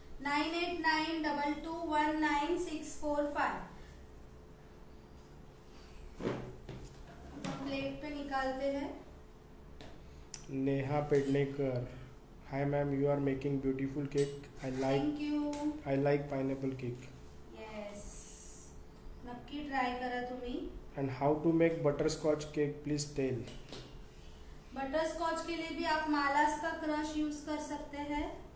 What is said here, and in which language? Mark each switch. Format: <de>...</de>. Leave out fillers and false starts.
<hi>9892-19645। Plate पे निकालते हैं।</hi> <en>Neha Pednekar, hi ma'am, you are making beautiful cake, I like pineapple cake.</en> <mr>Yes, नक्की try करा तुम्ही।</mr> <en>And how to make butter scotch cake please tell.</en> <hi>Butter scotch के लिए भी आप मालास का क्रश यूज कर सकते हैं।</hi>